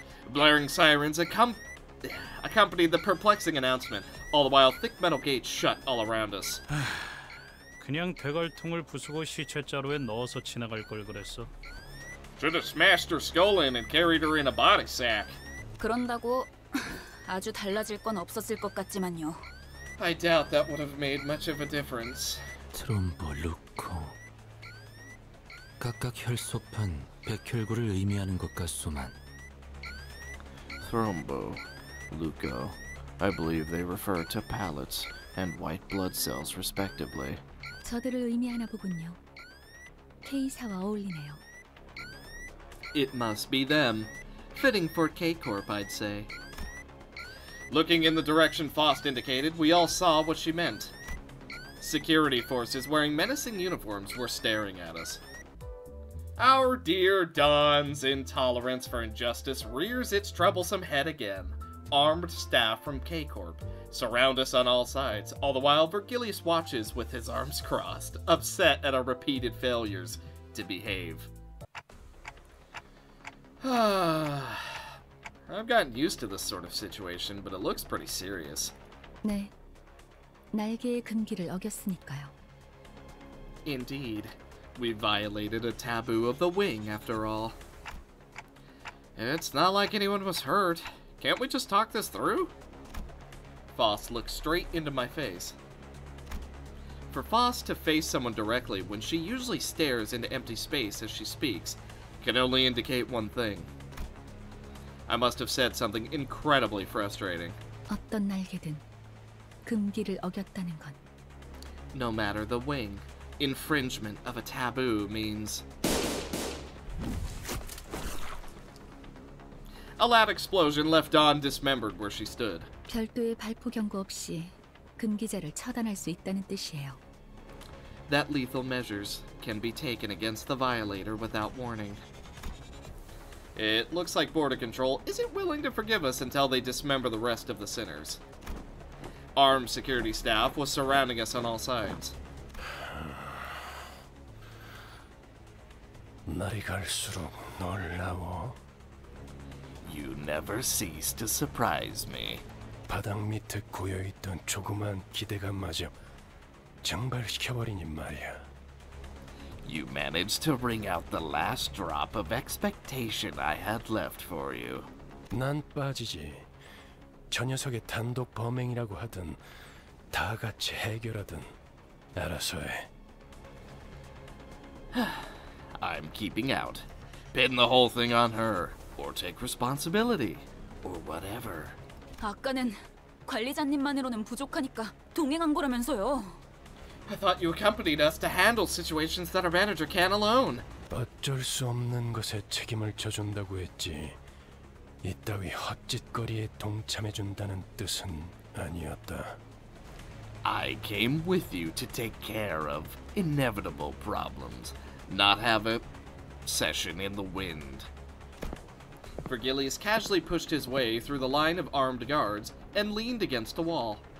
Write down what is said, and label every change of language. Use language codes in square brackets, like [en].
[en] Blaring sirens accompanied the perplexing announcement, all the while thick metal gates shut all around us. [ko] 그냥 대걸통을 부수고 시체 자루에 넣어서 지나갈 걸 그랬어. [en] Should have smashed her skull in and carried her in a body sack. [ko] 그런다고 아주 달라질 건 없었을 것 같지만요. [en] I doubt that would have made much of a difference. [ko] 트롬보 루코. 각각 혈소판, 백혈구를 의미하는 것 같소만. [en] Thrombo, Luco. I believe they refer to platelets and white blood cells respectively. [ko] 저들을 의미하나 보군요. K4와 어울리네요. [en] It must be them. Fitting for K-Corp, I'd say. Looking in the direction Faust indicated, we all saw what she meant. Security forces wearing menacing uniforms were staring at us. Our dear Don's intolerance for injustice rears its troublesome head again. armed staff from K-Corp surround us on all sides, all the while Virgilius watches with his arms crossed, upset at our repeated failures to behave. I've gotten used to this sort of situation, but it looks pretty serious. [ko] 네, 날개의 금기를 어겼으니까요. [en] Indeed. We violated a taboo of the wing, after all. It's not like anyone was hurt. Can't we just talk this through? Foss looks straight into my face. For Foss to face someone directly when she usually stares into empty space as she speaks can only indicate one thing. I must have said something incredibly frustrating. [ko] 어떤 날개든 금기를 어겼다는 건. [en] No matter the wing, infringement of a taboo means... A loud explosion left Dawn dismembered where she stood. [ko] 별도의 발포 경고 없이 금기자를 처단할 수 있다는 뜻이에요. [en] That lethal measures can be taken against the violator without warning. It looks like Border Control isn't willing to forgive us until they dismember the rest of the sinners. Armed security staff was surrounding us on all sides. [ko] 날이 갈수록 놀라워. [en] You never cease to surprise me. [ko] 바닥 밑에 고여있던 조그만 기대감마저 증발시켜버리니 말이야. [en] You managed to wring out the last drop of expectation I had left for you. [ko] 난 빠지지. 저 녀석의 단독 범행이라고 하든, 다 같이 해결하든, 알아서 해. [en] I'm keeping out. Pin the whole thing on her. Or take responsibility. Or whatever. [ko] 아까는 관리자님만으로는 부족하니까 동행한 거라면서요. [en] I thought you accompanied us to handle situations that a manager can alone. [ko] 어쩔 수 없는 것에 책임을 져준다고 했지. 이따위 헛짓거리에 동참해준다는 뜻은 아니었다. [en] I came with you to take care of inevitable problems. Not have a session in the wind. Virgilius casually pushed his way through the line of armed guards and leaned against a wall.